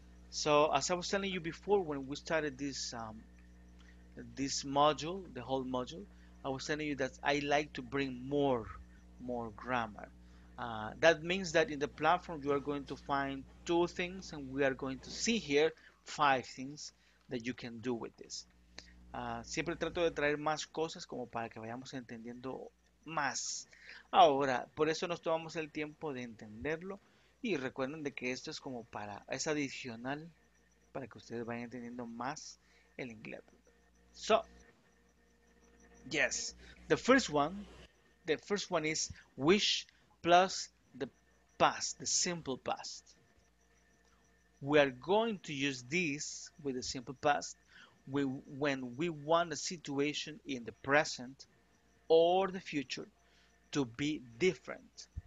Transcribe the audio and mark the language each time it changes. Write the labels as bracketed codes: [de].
[en] So as I was telling you before, when we started this module, the whole module, I was telling you that I like to bring more grammar. That means that in the platform you are going to find two things and we are going to see here five things that you can do with this. [es] Siempre trato de traer más cosas como para que vayamos entendiendo más. Ahora, por eso nos tomamos el tiempo de entenderlo y recuerden de que esto es como para, es adicional para que ustedes vayan entendiendo más el inglés. [en] So, yes, the first one is wish plus the past, the simple past. We are going to use this with the simple past when we want a situation in the present or the future to be different.